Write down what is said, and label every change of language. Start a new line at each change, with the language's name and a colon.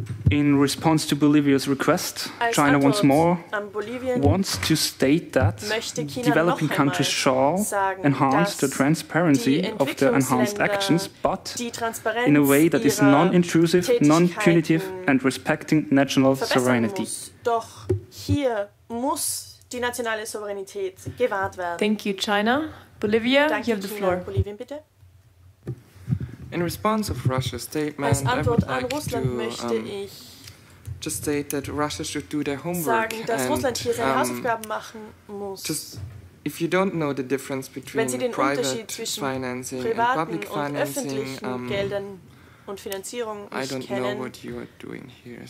English: In response to Bolivia's request, China once more wants to state that developing countries shall enhance the transparency of their enhanced actions, but in a way that is non-intrusive, non-punitive and respecting national sovereignty.
German: Doch hier muss die nationale Souveränität gewahrt werden.
English: Thank you, China. Bolivia, you have the floor. In response of Russia's statement, I would like to just state that Russia should do their homework if you don't know the difference between private financing and public financing, I don't know what you are doing here.